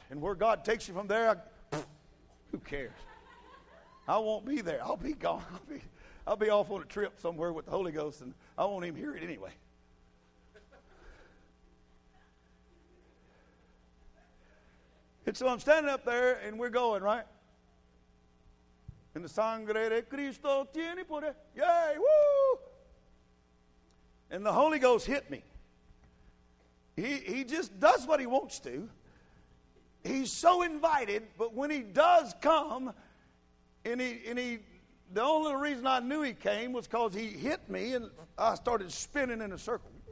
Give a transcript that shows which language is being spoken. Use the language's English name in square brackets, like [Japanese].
[English] And where God takes you from there, who cares? I won't be there. I'll be gone. I'll be off on a trip somewhere with the Holy Ghost, and I won't even hear it anyway. And so I'm standing up there, and we're going, right? And the [Spanish] sangre de Cristo tiene poder. Yay, woo! [English] And the Holy Ghost hit me. He just does what he wants to. He's so invited, but when he does come and he the only reason I knew he came was because he hit me and I started spinning in a circle.